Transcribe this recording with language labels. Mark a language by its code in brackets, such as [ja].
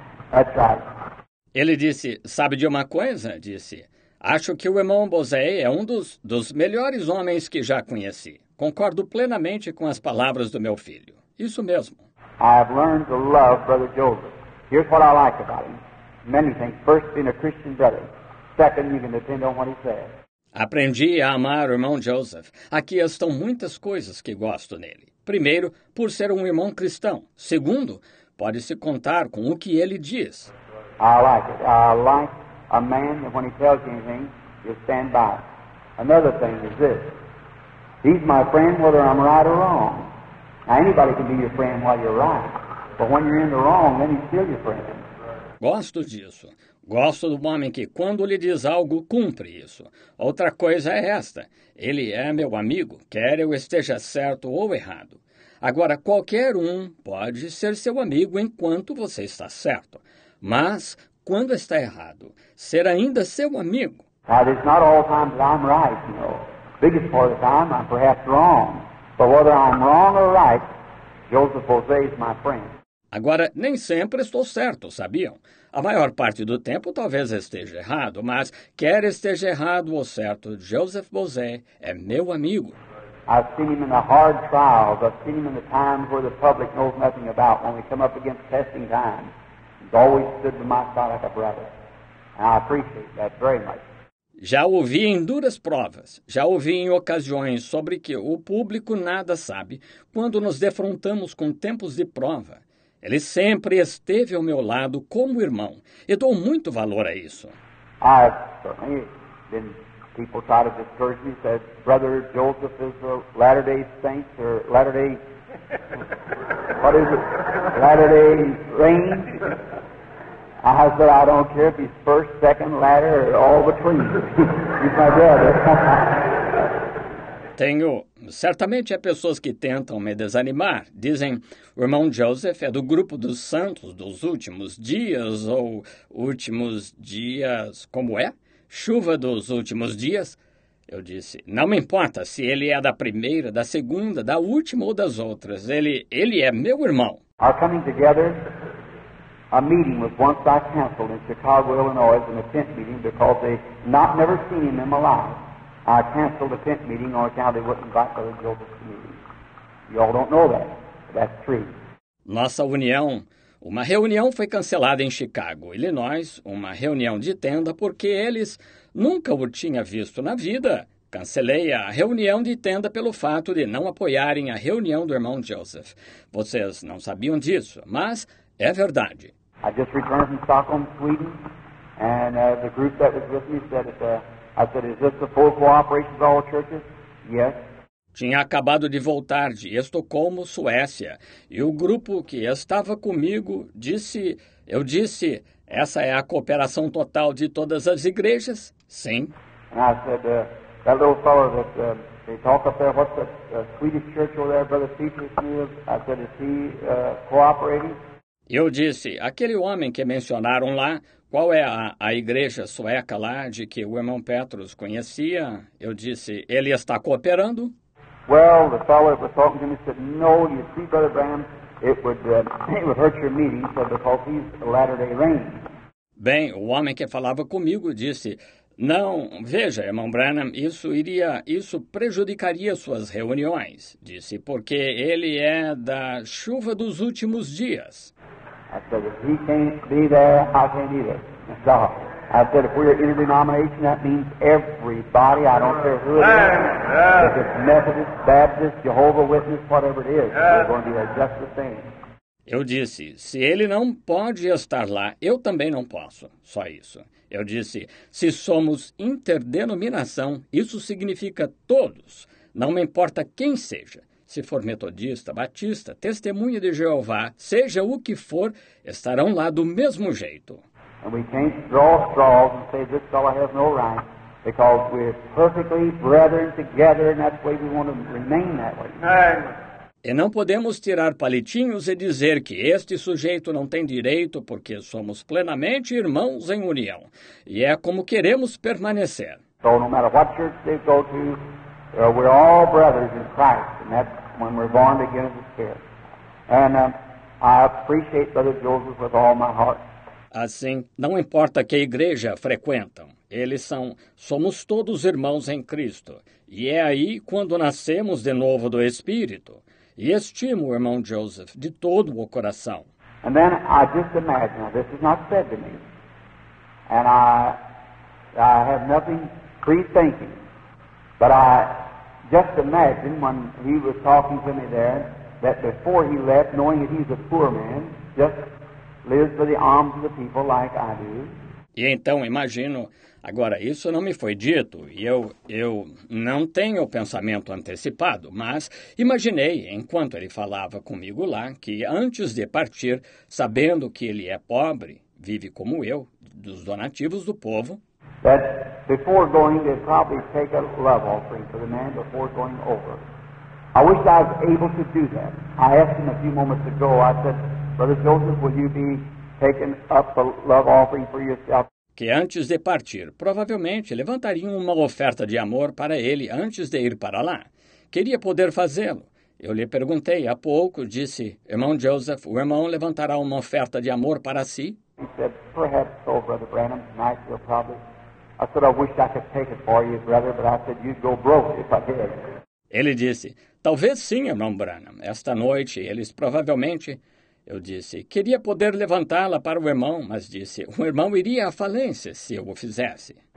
[en] That's right. [pt] Ele disse, sabe de uma coisa? Disse, acho que o irmão Bose é um dos melhores homens que já conheci. Concordo plenamente com as palavras do meu filho. Isso mesmo. [en] I have learned to love Brother Joseph. Here's what I like about him. Many things. First, being a Christian brother. Second, you can depend on what he says. Aprendi a amar o irmão Joseph. Aqui estão muitas coisas que gosto nele. Primeiro, por ser um irmão cristão. Segundo, pode-se contar com o que ele diz. I like it. I like a man that when he tells you anything, you stand by. Another thing is this. He's my friend whether I'm right or wrong. Now anybody can be your friend while you're right. But when you're in the wrong, then he's still your friend. [pt] Gosto disso. Gosto do homem que, quando lhe diz algo, cumpre isso. Outra coisa é esta. Ele é meu amigo, quer eu esteja certo ou errado. Agora, qualquer um pode ser seu amigo enquanto você está certo. Mas, quando está errado, ser ainda seu amigo. [en] Now, it's not all the time that I'm right, you know. The biggest part of the time, I'm perhaps wrong. But whether I'm wrong or right, Joseph Bose is my friend. [pt] Agora, nem sempre estou certo, sabiam? A maior parte do tempo talvez esteja errado, mas quer esteja errado ou certo, Joseph Bose é meu amigo. [en] I've seen him in the hard trials. I've seen him in the times where the public knows nothing about. When we come up against testing times, he's always stood by my side like a brother. And I appreciate that very much. [pt] Já o vi em duras provas. Já o vi em ocasiões sobre que o público nada sabe quando nos defrontamos com tempos de prova. Ele sempre esteve ao meu lado como irmão. E dou muito valor a isso. [en] I've certainly been... People try to discourage me, said, Brother Joseph is a Latter-day Saint, or Latter-day, what is it, Latter-day Rain? I said, I don't care if he's first, second, latter, or all between. He's my brother. [pt] Tenho, certamente há pessoas que tentam me desanimar. Dizem, o irmão Joseph é do grupo dos santos dos últimos dias, ou últimos dias, como é? Chuva dos últimos dias? Eu disse, não me importa se ele é da primeira, da segunda, da última ou das outras. Ele é meu irmão. [en] Our coming together, a meeting was once I canceled in Chicago, Illinois, an attempt meeting because they not never seen him in my life. I canceled the tent meeting on account they wouldn't invite Brother Joseph to meeting. You all don't know that, but that's true. [pt] Nossa união... Uma reunião foi cancelada em Chicago, Illinois, uma reunião de tenda, porque eles nunca o tinham visto na vida. Cancelei a reunião de tenda pelo fato de não apoiarem a reunião do irmão Joseph. Vocês não sabiam disso, mas é verdade. [en] I just returned from Stockholm, Sweden, and the group that was with me said, I said, is this the full cooperation of all churches? Yes. [pt] Tinha acabado de voltar de Estocolmo, Suécia, e o grupo que estava comigo disse: eu disse, essa é a cooperação total de todas as igrejas? Sim. [en] And I said, that little fellow that they talk up there, what's the Swedish church over there, Brother Peter's near? I said, is he cooperating? [pt] Eu disse, aquele homem que mencionaram lá, qual é a igreja sueca lá de que o irmão Petrus conhecia? Eu disse, ele está cooperando? [en] Well, the fellow that was talking to me said, no, you see, Brother Branham, it would hurt your meeting, said, because he's a Latter-day Saint. [pt] Bem, o homem que falava comigo disse, não, veja, irmão Branham, isso prejudicaria suas reuniões, disse, porque ele é da chuva dos últimos dias. [en] I said, if he can't be there, I can't either. So, I said, if we're interdenomination, that means everybody, I don't care who it is. If it's Methodist, Baptist, Jehovah Witness, whatever it is, they're going to be there just the same. [pt] Eu disse, se ele não pode estar lá, eu também não posso. Só isso. Eu disse, se somos interdenominação, isso significa todos. Não me importa quem seja. Se for metodista, batista, testemunha de Jeová, seja o que for, estarão lá do mesmo jeito. [en] And we can't draw straws and say this fellow has no right, because we're perfectly brethren together, and that's the way we want to remain that way. Amen. [pt] E não podemos tirar palitinhos e dizer que este sujeito não tem direito porque somos plenamente irmãos em união. E é como queremos permanecer. [en] So, no matter what church they go to, we're all brothers in Christ, and that's when we're born again as a spirit. And I appreciate Brother Joseph with all my heart. [pt] Assim, não importa que igreja frequentam, eles são, somos todos irmãos em Cristo. E é aí quando nascemos de novo do Espírito. E estimo o irmão Joseph de todo o coração. [en] And then I just imagine, this is not said to me, and I have nothing pre-thinking, but I just imagine when he was talking to me there, that before he left, knowing that he's a poor man, just lives for the alms of the people like I do. [pt] E então imagino, agora isso não me foi dito e eu não tenho pensamento antecipado, mas imaginei, enquanto ele falava comigo lá, que antes de partir, sabendo que ele é pobre, vive como eu, dos donativos do povo, [en] that before going, they'd probably take a love offering for the man before going over. I wish I was able to do that. I asked him a few moments ago, I said, Brother Joseph, will you be taking up a love offering for yourself? [pt] Que antes de partir, provavelmente levantariam uma oferta de amor para ele antes de ir para lá. Queria poder fazê-lo. Eu lhe perguntei há pouco, disse, irmão Joseph, o irmão levantará uma oferta de amor para si? [en] He said, perhaps so, Brother Branham, tonight you'll probably. I said, I wish I could take it for you, brother, but I said, you'd go broke if I did. [pt] Ele disse, talvez sim, irmão Branham. Esta noite, eles provavelmente... Eu disse, queria poder levantá-la para o irmão, mas disse, o irmão iria à falência se eu o fizesse.